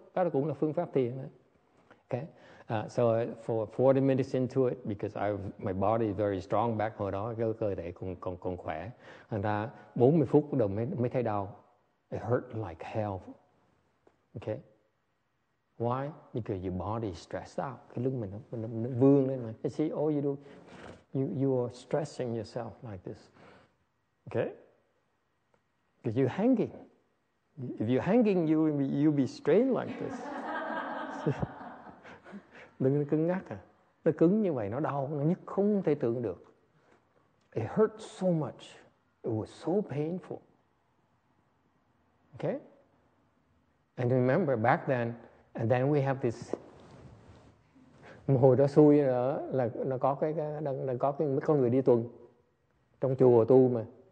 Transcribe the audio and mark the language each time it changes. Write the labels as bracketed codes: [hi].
[vi] Đó là cũng là phương pháp thiền. Đó. [en] Okay. So for 40 minutes into it, because my body is very strong back [vi] hồi đó, cơ thể còn khỏe. Thành ra 40 phút đầu mới thấy đau. [en] It hurt like hell. Okay. Why? Because your body is stressed out. [vi] Cái lưng mình nó vươn lên mà. [en] You see, all you do, you are stressing yourself like this. Okay. Because you're hanging. If you're hanging, you'll be strained like this. [vi] Lưng nó cứng ngắc à. Nó cứng như vậy, nó đau, nó nhức không thể tưởng được. [en] It hurt so much. It was so painful. Okay? And remember, back then, and then we have this. [vi] Một hồi đó xui là nó có cái con người đi tuần trong chùa tu mà.